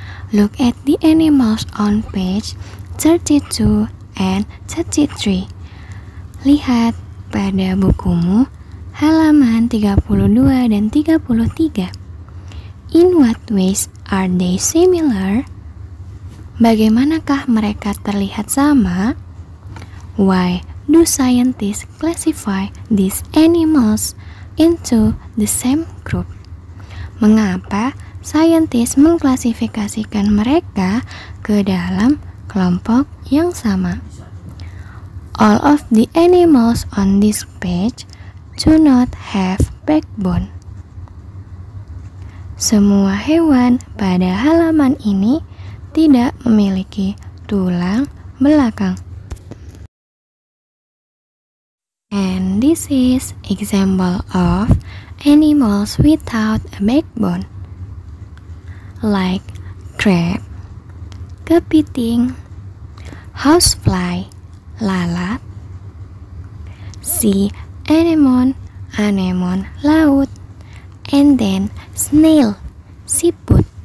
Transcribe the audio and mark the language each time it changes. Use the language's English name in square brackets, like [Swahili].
[English] Look at the animals on page 32 and 33. [Indonesian] Lihat pada bukumu halaman 32 dan 33. [English] In what ways are they similar? [Indonesian] Bagaimanakah mereka terlihat sama? [English] Why do scientists classify these animals into the same group? [Indonesian] Mengapa saintis mengklasifikasikan mereka ke dalam kelompok yang sama. [English] All of the animals on this page do not have backbone. [Indonesian] Semua hewan pada halaman ini tidak memiliki tulang belakang. [English] And this is example of animals without a backbone, like crab, kepiting, housefly, lalat, sea anemone, anemone laut, and then snail, siput.